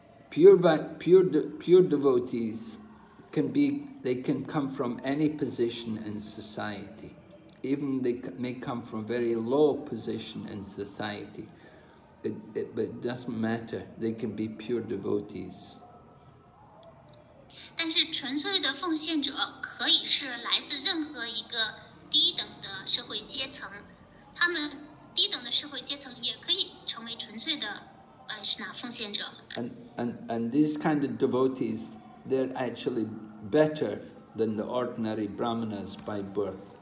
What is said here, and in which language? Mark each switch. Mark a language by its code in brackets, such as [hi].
[en] Pure devotees can come from any position in society. Even they may come from very low position in society, but it doesn't matter. They can be pure devotees. [zh] 但是纯粹的奉献者可以是来自任何一个 低等的社会阶层，他们低等的社会阶层也可以成为纯粹的奉献者。 [en] And these kind of devotees, they're actually better than the ordinary brahmanas by birth.